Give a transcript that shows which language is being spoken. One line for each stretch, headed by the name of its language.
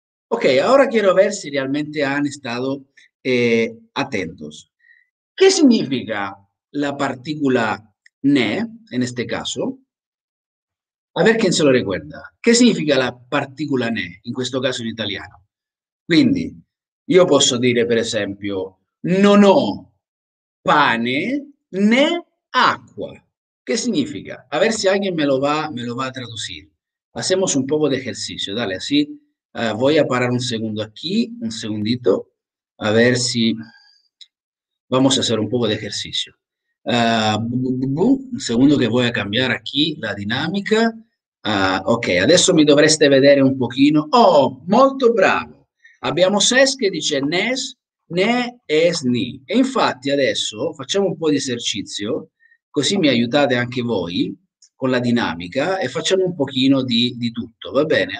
Spanish: Ok, ahora quiero ver si realmente han estado atentos. ¿Qué significa la partícula ne en este caso? A ver quién se lo recuerda. ¿Qué significa la partícula ne en este caso en italiano?
Italian: Quindi, yo posso dire, per esempio, non ho pane né acqua.
Spanish: ¿Qué significa? A ver si alguien me lo va a traducir. Hacemos un poco de ejercicio. Dale, así. Voy a parar un segundo aquí, un segundito, a ver si. Vamos a hacer un poco de ejercicio. Un segundo que voy a cambiar aquí la dinámica.
Italian: Ok, adesso mi dovreste vedere un pochino. Oh, molto bravo. Abbiamo Ses che dice nes, ne, es, ni. E infatti adesso facciamo un po' di esercizio, così mi aiutate anche voi con la dinamica e facciamo un pochino di tutto, va bene?